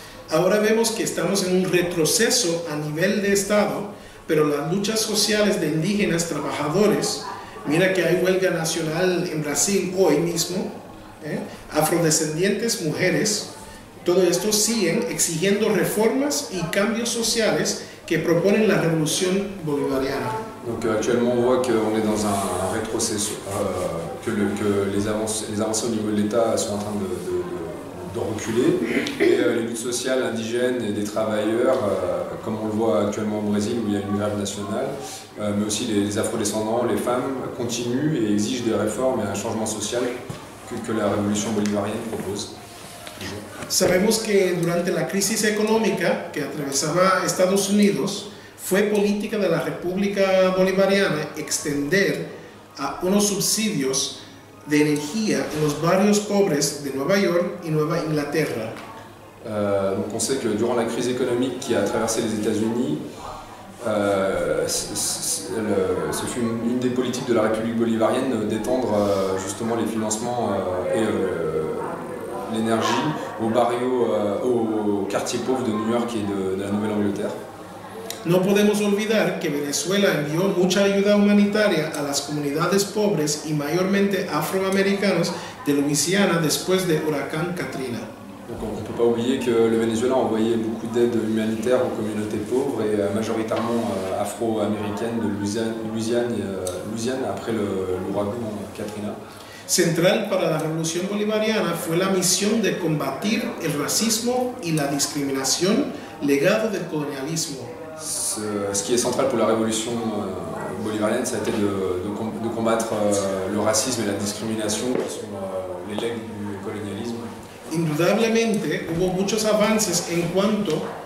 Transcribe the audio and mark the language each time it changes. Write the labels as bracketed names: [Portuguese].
[Spanish] Ahora vemos que estamos en un retroceso a nivel de Estado, pero las luchas sociales de indígenas trabajadores, mira que hay huelga nacional en Brasil hoy mismo, afrodescendientes, mujeres, todo esto siguen exigiendo reformas y cambios sociales que proponen la revolución bolivariana. [French] Donc actuellement on voit qu'on est dans un rétrocesso, que les avances au niveau de l'État sont en train de reculer, et les luttes sociales indigènes et des travailleurs, comme on le voit actuellement au Brésil où il y a une grève nationale, mais aussi les afrodescendants, les femmes, continuent et exigent des réformes et un changement social que la révolution bolivarienne propose. [Spanish] Sabemos que durante la crisis económica que atravesaba Estados Unidos, fue política de la República Bolivariana extender a unos subsidios de energía en los barrios pobres de Nueva York y Nueva Inglaterra. [French] Donc on sait que durant la crise économique qui a traversé les États-Unis, ce fut une des politiques de la République bolivarienne d'étendre justement les financements et l'énergie aux barrios, aux quartiers pauvres de New York et de la Nouvelle-Angleterre. [Spanish] No podemos olvidar que Venezuela envió mucha ayuda humanitaria a las comunidades pobres y mayormente afroamericanos de Luisiana después del huracán Katrina. [French] Donc on ne peut pas oublier que le Venezuela envoyait beaucoup d'aide humanitaire aux communautés pauvres et majoritairement afro-américaines de Louisiane après l'ouragan Katrina. [Spanish] Central para la revolución bolivariana fue la misión de combatir el racismo y la discriminación legado del colonialismo. [French] Ce qui est central pour la révolution bolivarienne, ça a été de combattre le racisme et la discrimination qui sont les legs du colonialisme. [Spanish] Indudablemente, hubo muchos avances en cuanto